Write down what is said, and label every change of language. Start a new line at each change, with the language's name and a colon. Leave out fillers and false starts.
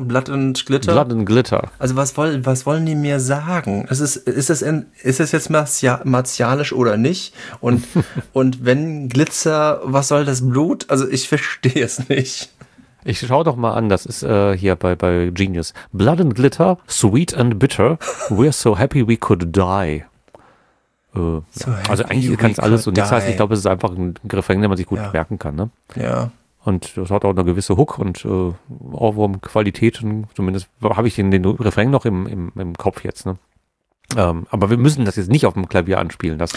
English: Blood and Glitter? Blood and Glitter.
German: Also was wollen die mir sagen? Ist es jetzt martialisch oder nicht? Und, und wenn Glitzer, was soll das Blut? Also ich verstehe es nicht. Ich schau doch mal an, das ist hier bei Genius.
English: Blood and Glitter, sweet and bitter, we're so happy we could die.
German: So also eigentlich kann es alles und nichts heißen. Ich glaube, es ist einfach ein Refrain, den man sich gut merken kann. Ne? Ja. Und das hat auch eine gewisse Hook und Ohrwurm-Qualitäten. Zumindest habe ich den Refrain noch im Kopf jetzt. Ne? Aber wir müssen das jetzt nicht auf dem Klavier anspielen.